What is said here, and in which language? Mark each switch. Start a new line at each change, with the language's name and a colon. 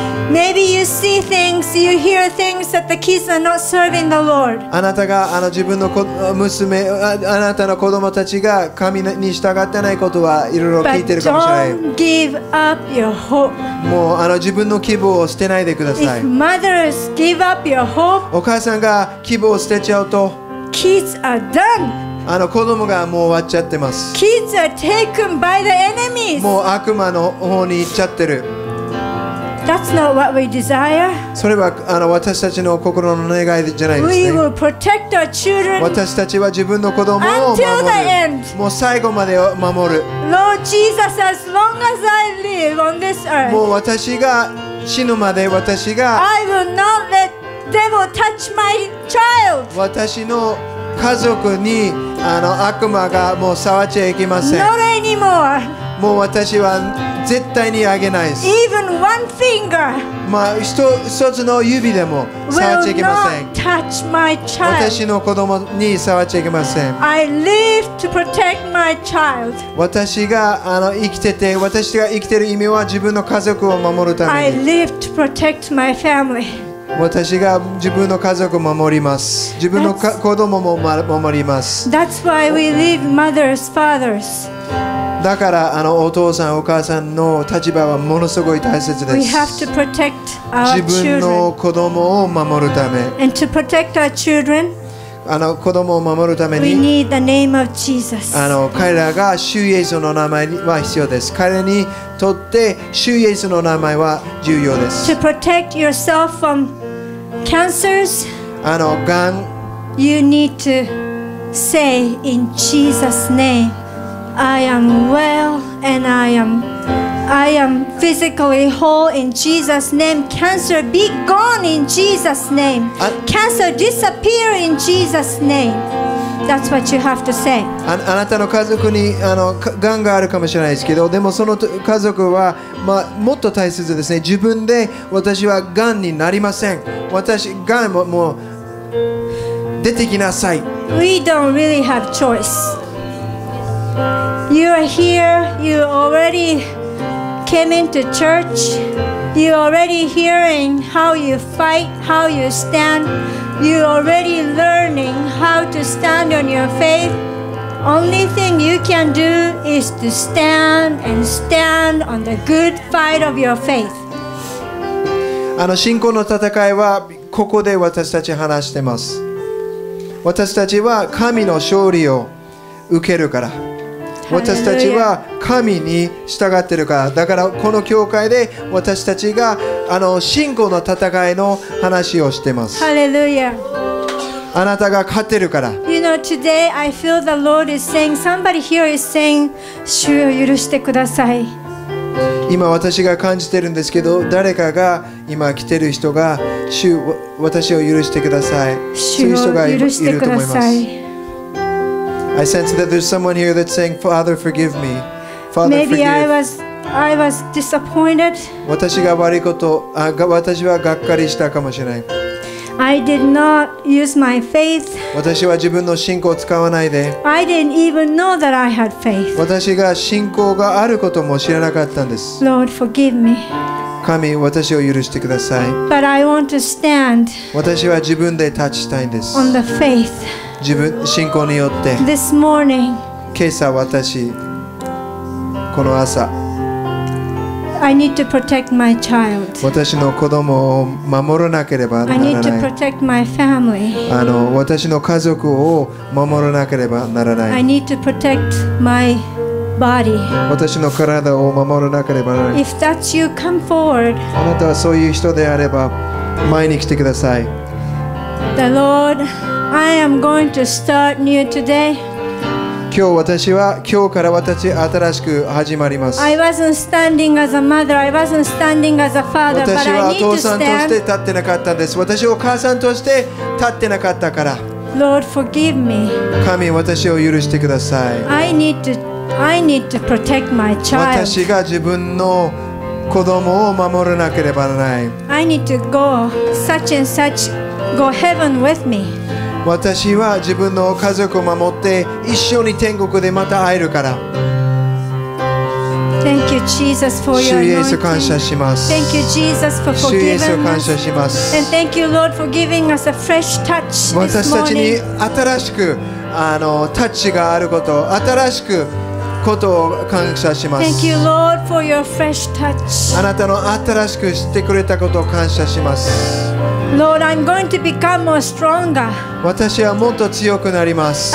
English: Maybe you see things, you hear things that the kids are not serving the Lord.
Japanese: あなたが自分の娘、あなたの子供たちが神に従ってないことはいろいろ聞いてるかもしれない。
English: But don't give up your hope.
Japanese: もう自分の希望を捨てないでください。
English: If mothers give up your hope,
Japanese: お母さんが希望を捨てちゃうと、
English: kids are done.
Japanese: 子供がもう終わっちゃってます。
English: Kids are taken by the enemies.
Japanese: もう悪魔の方に行っちゃってる。
English: That's not what we desire.
Japanese: それは私たちの心の願いじゃないですね。
English: We will protect our children.
Japanese: 私たちは自分の子供を守る。
English: Until the end.
Japanese: もう最後までを守る。
English: Lord Jesus, as long as I live on this earth.
Japanese: もう私が死ぬまで私が。
English: I will not let devil touch my child.
Japanese: 私の家族に悪魔がもう触っちゃいけません。
English: Not anymore.
Japanese: もう私は絶対にあげないです。
English: Even one finger.
Japanese: まあ一つの指でも触っちゃいけません。
English: Will not touch my child.
Japanese: 私の子供に触っちゃいけません。
English: I live to protect my child.
Japanese: 私が生きてて、私が生きてる意味は自分の家族を守るために。
English: I live to protect my family.
Japanese: 私が自分の家族を守ります。自分の子供も守ります。
English: That's why we leave mothers, fathers.
Japanese: だからお父さん、お母さんの立場はものすごい大切です。
English: We have to protect our children.
Japanese: 自分の子供を守るため。
English: And to protect our children,
Japanese: 子供を守るために、
English: we need the name of Jesus.
Japanese: 彼らが主イエスの名前は必要です。彼にとって主イエスの名前は重要です。
English: To protect yourself from cancers,
Japanese: がん、
English: you need to say in Jesus' name, I am well and I am physically whole in Jesus' name. Cancer be gone in Jesus' name. Cancer disappear in Jesus' name. That's what you have to say.
Japanese: あなたの家族にがんがあるかもしれないですけど、でもその家族は、もっと大切ですね。自分で私はがんになりません。私がんももう出てきなさい。
English: We don't really have choice. You are here. You already came into church. You already hearing how you fight, how you stand. You already learning how to stand on your faith. Only thing you can do is to stand and stand on the good fight of your faith.
Japanese: 信仰の戦いはここで私たち話してます。私たちは神の勝利を受けるから。私たちは神に従ってるから。だからこの教会で私たちが信仰の戦いの話をしてます。ハレルヤ。あなたが勝ってるから。
English: You know, today I feel the Lord is saying, somebody here is saying,
Japanese: 主を許してください。今私が感じてるんですけど、誰かが今来てる人が、主、私を許してください。主を許してください。
English: I sense that there's someone here that's saying, Father, forgive me. Father, Maybe forgive. I was disappointed.
Japanese: 私が悪いこと、私はがっかりしたかもしれない。
English: I did not use my faith.
Japanese: 私は自分の信仰を使わないで。
English: I didn't even know that I had faith.
Japanese: 私が信仰があることも知らなかったんです。
English: Lord, forgive me.
Japanese: 神、私を許してください。
English: But I want to stand.
Japanese: 私は自分で立ちたいんです。
English: On the faith.
Japanese: 自分信仰によって
English: This morning,
Japanese: 今朝私この朝
English: I need to protect my child.
Japanese: 私の子供を守らなければならない
English: I need to protect my family.
Japanese: 私の家族を守らなければならない
English: I need to protect my body.
Japanese: 私の体を守らなければならない
English: If that's you, come forward.
Japanese: あなたはそういう人であれば前に来てください
English: The Lord I am going to start new today.
Japanese: 今日私は今日から私新しく始まります。
English: I wasn't standing as a mother, I wasn't standing as a father, but I need to stand.
Japanese: 私はお父さんとして立ってなかったんです。私はお母さんとして立ってなかったから。
English: Lord, forgive me.
Japanese: 神、私を許してください。
English: I need to protect my child.
Japanese: 私が自分の子供を守らなければならない。
English: I need to go such and such, go heaven with me.
Japanese: 私は自分の家族を守って一緒に天国でまた会えるから。
English: Thank you, Jesus, for your anointing.
Japanese: 主イエス感謝します。
English: Thank you, Jesus, for forgiving us.
Japanese: 主イエス感謝します。
English: And thank you, Lord, for giving us a fresh touch this morning.
Japanese: 私たちに新しくタッチがあること、新しくことを感謝します。
English: Thank you, Lord, for your fresh touch.
Japanese: あなたの新しく知ってくれたことを感謝します。
English: Lord, I'm going to become more stronger.
Japanese: 私はもっと強くなります。